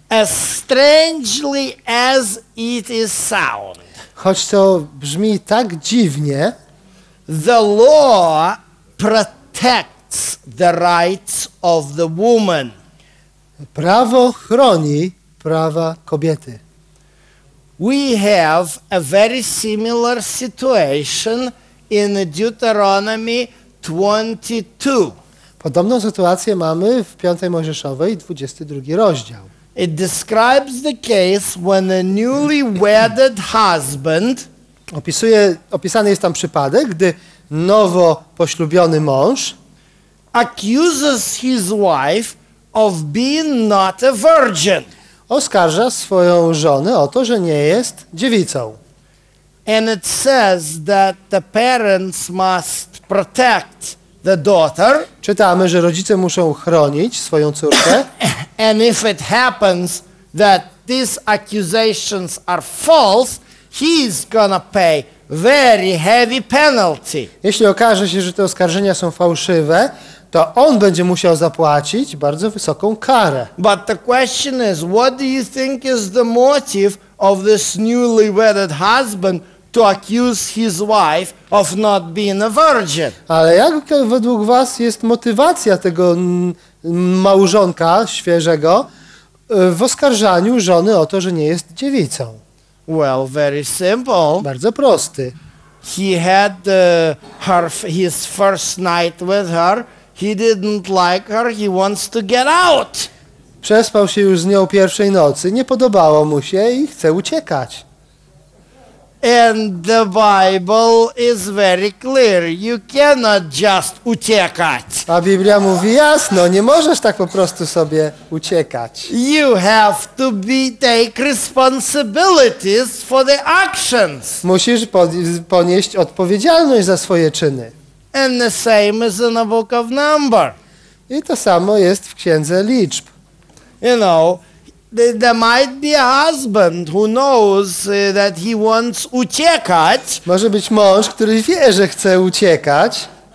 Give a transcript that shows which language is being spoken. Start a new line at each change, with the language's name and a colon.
English: As strangely as it is sound.
Polish: Choć to brzmi tak dziwnie.
English: The law protects the rights of the woman.
Polish: Prawo chroni prawa kobiety.
English: We have a very similar situation in Deuteronomy 22.
Polish: Podobną sytuację mamy w 5 Mojżeszowej, 22 rozdział.
English: It describes the case when a newly wedded husband
Polish: opisany jest tam przypadek, gdy nowo poślubiony mąż
English: accuses his wife of being not a virgin.
Polish: Oskarża swoją żonę o to, że nie jest dziewicą.
English: And it says that the parents must protect the daughter.
Polish: Czytamy, że rodzice muszą chronić swoją córkę.
English: And if it happens that these accusations are false, he's gonna pay very heavy penalty.
Polish: Jeśli okaże się, że te oskarżenia są fałszywe, to on będzie musiał zapłacić bardzo wysoką karę.
English: But the question is, what do you think is the motive of this newly wedded husband to accuse his wife of not being a virgin?
Polish: Ale jak według was jest motywacja tego małżonka świeżego w oskarżaniu żony o to, że nie jest dziewicą?
English: Well, very simple.
Polish: Bardzo prosty.
English: He had his first night with her. He didn't like her. He wants to get out.
Polish: Przespał się już z nią pierwszej nocy. Nie podobało mu się i chce uciekać.
English: And the Bible is very clear. You cannot just
Polish: uciekać. A Biblia mówi jasno, nie możesz tak po prostu sobie uciekać.
English: You have to be take responsibilities for the actions.
Polish: Musisz ponieść odpowiedzialność za swoje czyny.
English: And the same is in the Book of Numbers.
Polish: I to samo jest w Księdze Liczb.
English: You know, there might be a husband who knows that he wants
Polish: uciekać. Może być mąż, który wie, że chce uciekać.